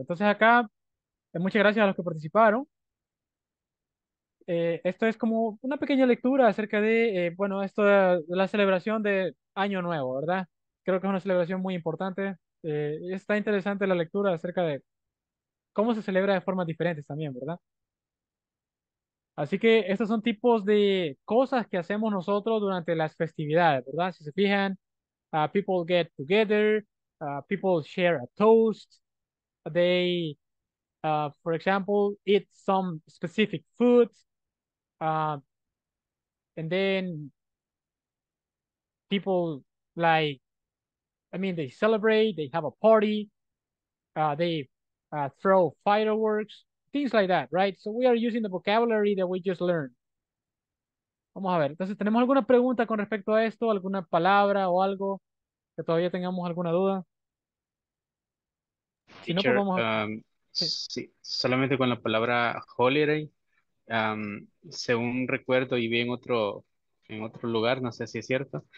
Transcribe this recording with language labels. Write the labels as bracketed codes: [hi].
[es] Entonces acá, muchas gracias a los que participaron. Esto es como una pequeña lectura acerca de, bueno, esto de la celebración de Año Nuevo, ¿verdad? Creo que es una celebración muy importante. Está interesante la lectura acerca de cómo se celebra de formas diferentes también, ¿verdad? Así que estos son tipos de cosas que hacemos nosotros durante las festividades, ¿verdad? Si se fijan, [en] people get together, people share a toast, they, for example, eat some specific foods, and then people like, I mean, they celebrate, they have a party, they throw fireworks, things like that, right? So we are using the vocabulary that we just learned. [es] Vamos a ver. Entonces, ¿tenemos alguna pregunta con respecto a esto? ¿Alguna palabra o algo que todavía tengamos alguna duda? Teacher, si no, pues vamos a... sí, solamente con la palabra holiday. Según recuerdo y vi en otro lugar, no sé si es cierto.